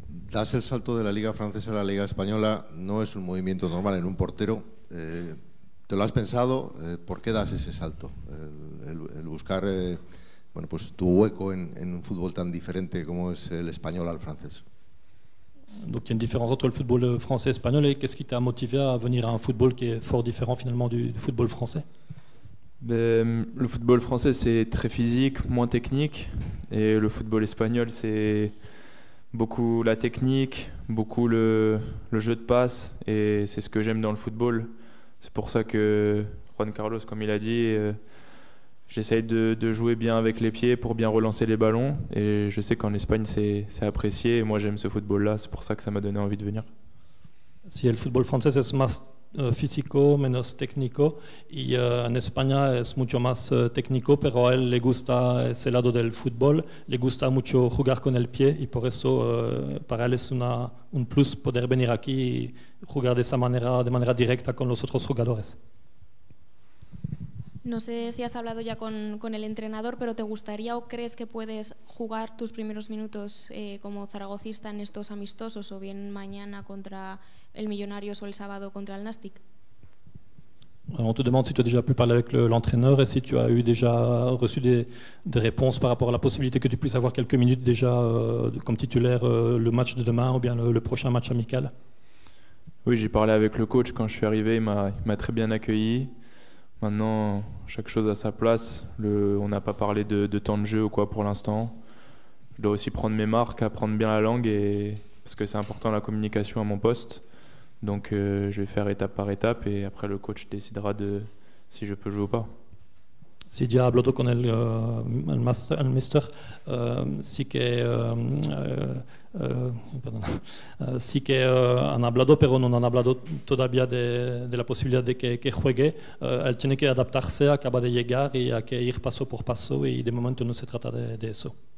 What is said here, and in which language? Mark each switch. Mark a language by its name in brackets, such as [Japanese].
[Spanish] Das el salto de la Liga Francesa a la Liga Española, no es un movimiento normal en un portero. ¿Te lo has pensado? ¿Por qué das ese salto? El buscar bueno, pues tu hueco en un fútbol tan diferente como es el español al francés. [French] Donc, il y a une différence entre le football français et espagnol, et qu'est-ce qui t'a motivé à venir à un football qui est fort différent finalement du football français? Le football français, c'est très physique, moins technique, et le football espagnol, c'est beaucoup la technique, beaucoup le jeu de passe, et c'est ce que j'aime dans le football. C'est pour ça que Juan Carlos, comme il a dit, j'essaye de jouer bien avec les pieds pour bien relancer les ballons, et je sais qu'en Espagne c'est apprécié, et moi j'aime ce football-là, c'est pour ça que ça m'a donné envie de venir. [Spanish] Si el fútbol francés es más físico, menos técnico, y en España es mucho más técnico, pero a él le gusta ese lado del fútbol, le gusta mucho jugar con el pie, y por eso para él es un plus poder venir aquí y jugar de esa manera, de manera directa con los otros jugadores. No sé si has hablado ya con el entrenador, pero ¿te gustaría o crees que puedes jugar tus primeros minutos como zaragocista en estos amistosos, o bien mañana contra el Millonarios o el sábado contra el Nastic? [French] On te demande si tu as déjà pu parler avec l'entraîneur et si tu as déjà reçu des réponses par rapport à la possibilité que tu puisses avoir quelques minutes déjà comme titulaire le match de demain ou bien le prochain match amical. Oui, j'ai parlé avec le coach quand je suis arrivé, il m'a très bien accueilli. Maintenant, chaque chose a sa place. On n'a pas parlé de temps de jeu ou quoi pour l'instant. Je dois aussi prendre mes marques, apprendre bien la langue, et parce que c'est important la communication à mon poste. Donc je vais faire étape par étape, et après le coach décidera de si je peux jouer ou pas. [Spanish] Si ya hablo con el mister, sí que han hablado, pero no han hablado todavía de la posibilidad de que juegue. Él tiene que adaptarse, acaba de llegar y hay que ir paso por paso, y de momento no se trata de eso.